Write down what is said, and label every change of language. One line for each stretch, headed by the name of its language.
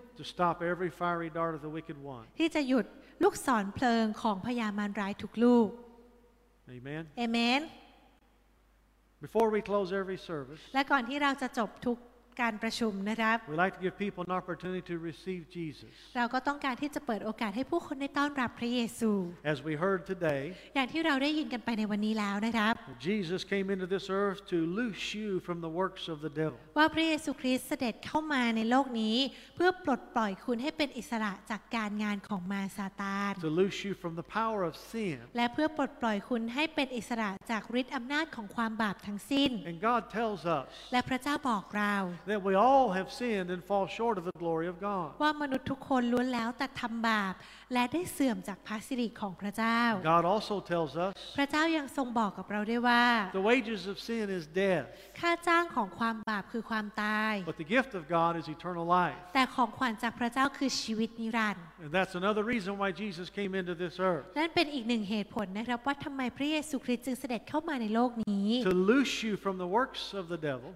English: To stop every fiery dart of the wicked one.
Thai: ที่จะหยุดลูกศรเพลิงของพยามารร้ายทุกลูก
English: Amen. Amen. Before we close every service.
Thai: และก่อนที่เราจะจบทุก การประชุมนะครับ
English: We like to give people an opportunity to receive Jesus.
Thai: เราก็ต้องการที่จะเปิดโอกาสให้ผู้คนได้ต้อนรับพระเยซู
English: As we heard today,
Thai: อย่างที่เราได้ยินกันไปในวันนี้แล้วนะครับ
English: Jesus came into this earth to loose you from the works of the devil.
Thai: ว่าพระเยซูคริสต์เสด็จเข้ามาในโลกนี้เพื่อปลดปล่อยคุณให้เป็นอิสระจากการงานของมารซาตาน
English: To loose you from the power of sin.
Thai: และเพื่อปลดปล่อยคุณให้เป็นอิสระจากฤทธิ์อำนาจของความบาปทั้งสิ้น
English: And God tells us.
Thai: และพระเจ้าบอกเรา
English: That we all have sinned and fall short of the glory of God.
Thai: ว่ามนุษย์ทุกคนล้วนแล้วแต่ทำบาปและได้เสื่อมจากพระสิริของพระเจ้า
English: God also tells us.
Thai: พระเจ้ายังทรงบอกกับเราด้วยว่า
English: The wages of sin is death.
Thai: ค่าจ้างของความบาปคือความตาย
English: But the gift of God is eternal life.
Thai: แต่ของขวัญจากพระเจ้าคือชีวิตนิรันดร์
English: And that's another reason why Jesus came into this earth.
Thai: นั่นเป็นอีกหนึ่งเหตุผลนะครับว่าทำไมพระเยซูคริสต์จึงเสด็จเข้ามาในโลกนี้
English: To loose you from the works of the devil.